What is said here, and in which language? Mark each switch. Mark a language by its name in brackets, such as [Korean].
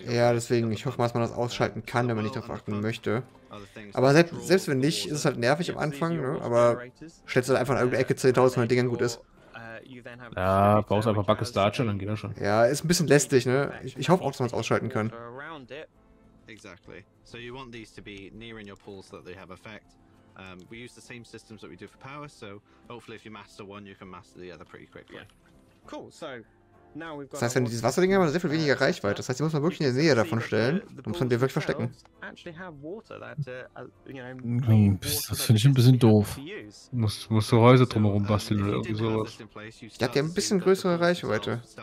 [German] Ja, deswegen, ich hoffe mal, dass man das ausschalten kann, wenn man nicht darauf achten möchte. Aber selbst wenn nicht, ist es halt nervig am Anfang, ne? Aber stellst du halt einfach in irgendeine Ecke 10.000, wenn die Dinger gut ist. Ja, brauchst einfach Backestart schon, dann geht das schon. Ja, ist ein bisschen lästig, ne? Ich hoffe auch, dass man es ausschalten kann. [English] Exactly. So you want these to be near in your pool so that they have effect. We use the same systems that we do for power, so hopefully if you master one, you can master the other pretty quickly. Yeah. Cool, so now we've got. [German] Das heißt, wenn dieses Wasserding haben, sehr viel weniger Reichweite. Das heißt, die muss man wirklich in der Nähe davon stellen. Dann muss man die wirklich verstecken. Das finde ich ein bisschen doof. Musst du Häuser drumherum basteln oder irgendwie sowas. Ich glaube, die haben ein bisschen größere Reichweite.